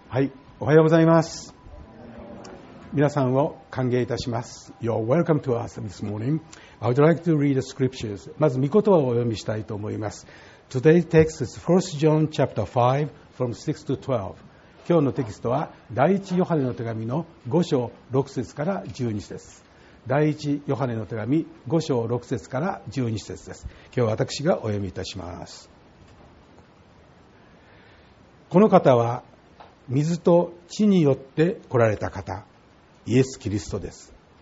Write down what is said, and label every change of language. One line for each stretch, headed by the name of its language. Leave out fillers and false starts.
Japanese: はい、おはようございます。皆さんを歓迎いたします。
English: You're welcome to us this morning. I would like to read the scriptures.
Japanese: まず御言葉をお読みしたいと思います。
English: Today's text is 1 John chapter 5 from 6 to 12.
Japanese: 今日のテキストは第一ヨハネの手紙の5章6節から12節です。第一ヨハネの手紙5章6節から12節です。今日私がお読みいたします。この方は水と地によって来られた方、イエス・キリストです。